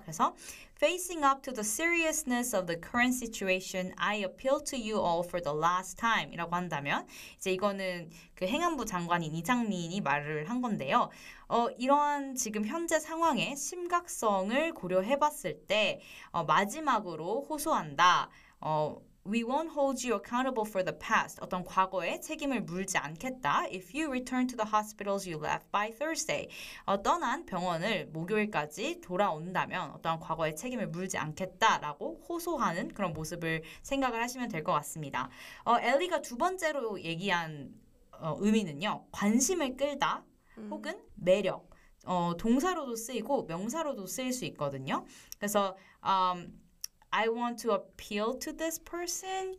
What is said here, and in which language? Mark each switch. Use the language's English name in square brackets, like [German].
[Korean] 그래서 [English] facing up to the seriousness of the current situation, I appeal to you all for the last time이라고 [Korean] 한다면 이제 이거는 그 행안부 장관인 이장민이 말을 한 건데요. 이러한 지금 현재 상황의 심각성을 고려해봤을 때 마지막으로 호소한다. [English] We won't hold you accountable for the past. [Korean] 어떤 과거에 책임을 물지 않겠다. [English] If you return to the hospitals you left by Thursday. [Korean] 떠난 병원을 목요일까지 돌아온다면 어떤 과거에 책임을 물지 않겠다라고 호소하는 그런 모습을 생각을 하시면 될 것 같습니다. 엘리가 두 번째로 얘기한 의미는요. 관심을 끌다 혹은 매력. 동사로도 쓰이고 명사로도 쓰일 수 있거든요. [English] 그래서 I want to appeal to this person.